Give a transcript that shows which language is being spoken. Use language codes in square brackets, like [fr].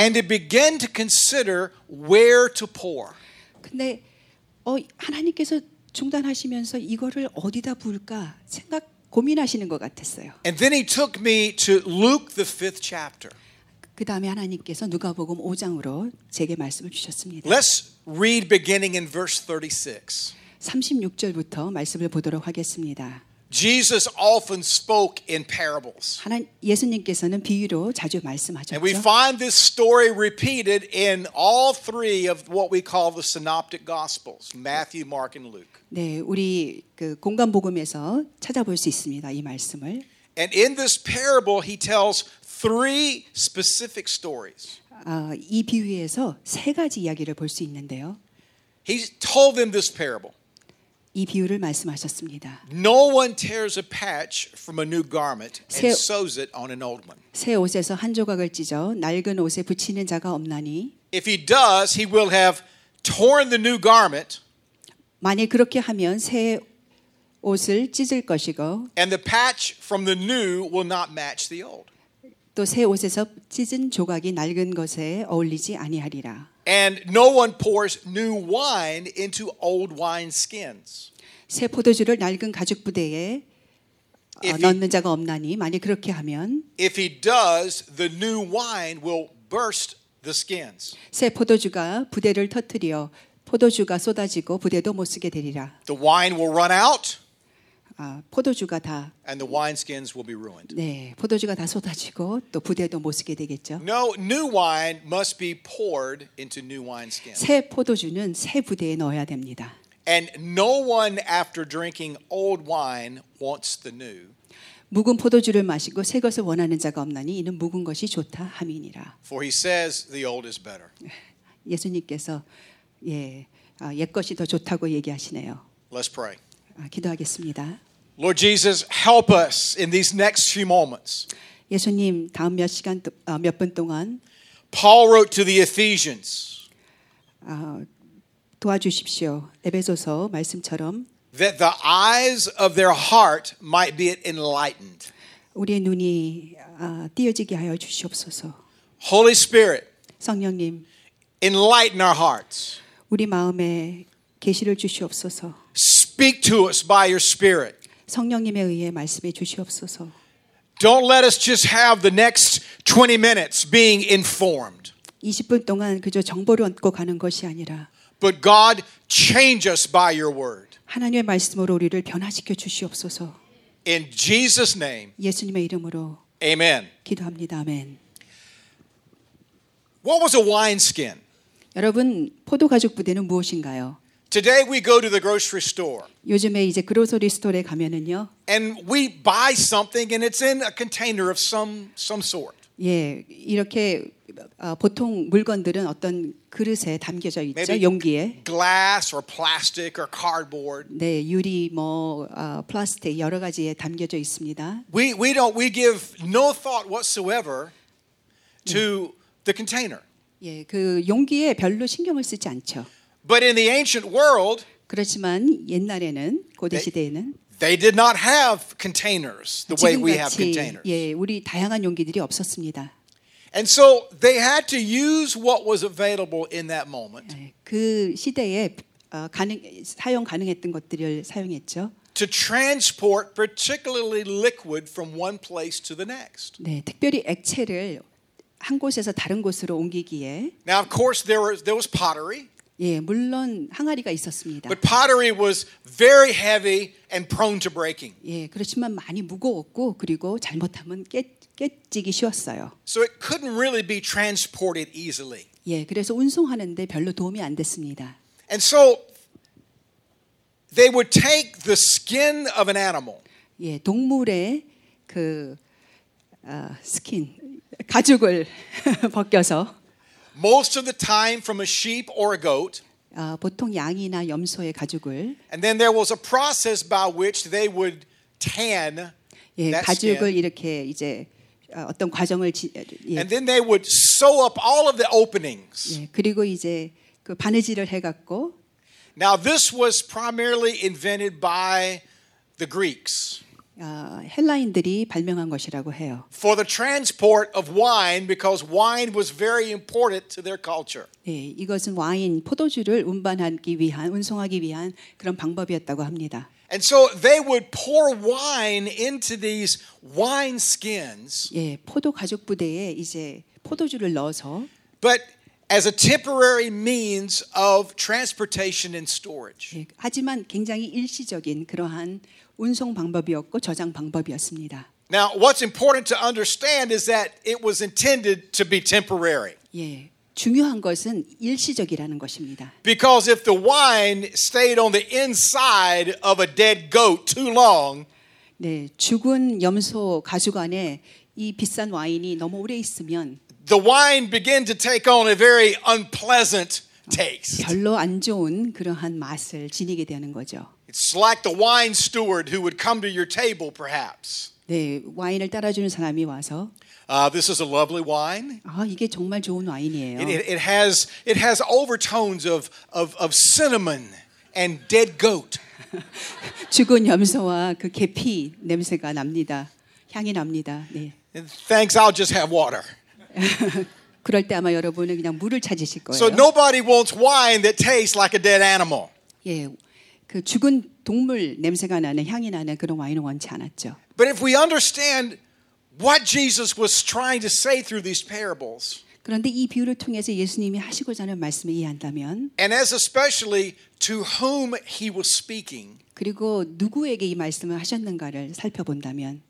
[en] And he began to consider where to pour. [ko] 근데 하나님께서 중단하시면서 이거를 어디다 부을까 생각 고민하시는 것 같았어요. [en] And then he took me to Luke the 5th chapter. [ko] 그 다음에 하나님께서 누가복음 5장으로 제게 말씀을 주셨습니다. [en] Let's read beginning in verse 36. [ko] 36절부터 말씀을 보도록 하겠습니다. [en] Jesus often spoke in parables. [ko] 예수님께서는 비유로 자주 말씀하셨죠. [en] And we find this story repeated in all three of what we call the synoptic gospels, Matthew, Mark, and Luke. [ko] 네, 우리 그 공간 복음에서 찾아볼 수 있습니다, 이 말씀을. [en] And in this parable, he tells three specific stories. [ko] 이 비유에서 세 가지 이야기를 볼 수 있는데요. [en] He told them this parable. [ko] 이 비유를 말씀하셨습니다. [en] No one tears a patch from a new garment and sews it on an old one. [ko] 새 옷에서 한 조각을 찢어 낡은 옷에 붙이는 자가 없나니? [en] If he does, he will have torn the new garment. [ko] 만일 그렇게 하면 새 옷을 찢을 것이고 [en] And the patch from the new will not match the old. [ko] 또 새 옷에서 찢은 조각이 낡은 것에 어울리지 아니하리라. [en] And no one pours new wine into old wine skins. [ko] 새 포도주를 낡은 가죽 부대에 넣는 자가 없나니 만약 그렇게 하면 [en] If he does, the new wine will burst the skins. [ko] 새 포도주가 부대를 터뜨려 포도주가 쏟아지고 부대도 못 쓰게 되리라. [en] The wine will run out. [ko] 포도주가 다 [en] And the wine skins will be ruined. [ko] 네, 포도주가 다 쏟아지고 또 부대도 못 쓰게 되겠죠. [en] No, new wine must be poured into new wine skins. [ko] 새 포도주는 새 부대에 넣어야 됩니다. [en] And no one after drinking old wine wants the new. [ko] 묵은 포도주를 마시고 새 것을 원하는 자가 없나니 이는 묵은 것이 좋다 함이니라. [en] For he says the old is better. [ko] 예수님께서 예, 옛 것이 더 좋다고 얘기하시네요. [en] Let's pray. [ko] 기도하겠습니다. [en] Lord Jesus, help us in these next few moments. [ko] 예수님, 다음 몇 시간 몇 분 동안 [en] Paul wrote to the Ephesians. [ko] 도와주십시오. 에베소서 말씀처럼 [en] that the eyes of their heart might be enlightened. [ko] 우리의 눈이 띄어지게 하여 주시옵소서. [en] Holy Spirit. [ko] 성령님. [en] Enlighten our hearts. [ko] 우리 마음에 계시를 주시옵소서. [en] Speak to us by your spirit. [ko] 성령님에 의해 말씀해 주시옵소서. [en] Don't let us just have the next 20 minutes being informed. [ko] 20분 동안 그저 정보를 얻고 가는 것이 아니라 [en] But God change us by your word. [ko] 하나님의 말씀으로 우리를 변화시켜 주시옵소서. [en] In Jesus name. [ko] 예수님의 이름으로. [en] Amen. [ko] 기도합니다. 아멘. [en] What was a wineskin? [ko] 여러분, 포도 가죽 부대는 무엇인가요? [en] Today we go to the grocery store. [ko] 요즘에 이제 그로서리 스토어에 가면은요. [en] And we buy something and it's in a container of some sort. [ko] 예, 이렇게 보통 물건들은 어떤 그릇에 담겨져 있죠. [en] Maybe [ko] 용기에. [en] Glass or plastic or cardboard. [ko] 네, 유리 뭐 플라스틱 여러 가지에 담겨져 있습니다. [en] We give no thought whatsoever to the container. [ko] 예, 그 용기에 별로 신경을 쓰지 않죠. [en] But in the ancient world, [ko] 그렇지만 옛날에는 고대 시대에는 [en] they did not have containers the way we have containers. [ko] 예, 우리 다양한 용기들이 없었습니다. [en] And so they had to use what was available in that moment. [ko] 그 시대에 사용 가능했던 것들을 사용했죠. [en] To transport particularly liquid from one place to the next. [ko] 네, 특별히 액체를 한 곳에서 다른 곳으로 옮기기에 [en] Now of course there was pottery. [ko] 예, 물론 항아리가 있었습니다. [en] But pottery was very heavy and prone to breaking. [ko] 예, 그렇지만 많이 무거웠고 그리고 잘못하면 깨지기 쉬웠어요. [en] So it couldn't really be transported easily. [ko] 예, 그래서 운송하는데 별로 도움이 안 됐습니다. [en] And so they would take the skin of an animal. [ko] 예, 동물의 그 스킨 가죽을 벗겨서 [en] Most of the time from a sheep or a goat. [ko] 보통 양이나 염소의 가죽을. [en] And then there was a process by which they would tan. [ko] 예, 가죽을 이렇게 이제 어떤 과정을 [en] And then they would sew up all of the openings. [ko] 예, 그리고 이제 그 바느질을 해 갖고 [en] Now this was primarily invented by the Greeks. [ko] 헬라인들이 발명한 것이라고 해요. [en] For the transport of wine, because wine was very important to their culture. [ko] 예, 이것은 와인, 포도주를 운반하기 위한, 운송하기 위한 그런 방법이었다고 합니다. [en] And so they would pour wine into these wine skins. [ko] 예, 포도 가죽 부대에 이제 포도주를 넣어서. [en] But as a temporary means of transportation and storage. [ko] 예, 하지만 굉장히 일시적인 그러한 운송 방법이었고 저장 방법이었습니다. [en] Now, what's important to understand is that it was intended to be temporary. [ko] 예, 중요한 것은 일시적이라는 것입니다. [en] Because if the wine stayed on the inside of a dead goat too long, [ko] 네, 죽은 염소 가죽 안에 이 비싼 와인이 너무 오래 있으면 [en] the wine began to take on a very unpleasant taste. [ko] 별로 안 좋은 그러한 맛을 지니게 되는 거죠. [en] It's like the wine steward who would come to your table, perhaps. [ko] 네, 와인을 따라주는 사람이 와서. [en] This is a lovely wine. [ko] 이게 정말 좋은 와인이에요. [en] It has overtones of cinnamon and dead goat. [ko] 죽은 염소와 그 계피 냄새가 납니다. 향이 납니다. 네. [en] Thanks, I'll just have water. [ko] 그럴 때 아마 여러분은 그냥 물을 찾으실 거예요. [en] So nobody wants wine that tastes like a dead animal. [ko] 예, 그 죽은 동물 냄새가 나는 향이 나는 그런 와인을 원치 않았죠. [en] But if we understand what Jesus was trying to say through these parables. [ko] 그런데 이 비유를 통해서 예수님이 하시고자 하는 말씀을 이해한다면 [en] And as especially to whom he was speaking. [ko] 그리고 누구에게 이 말씀을 하셨는가를 살펴본다면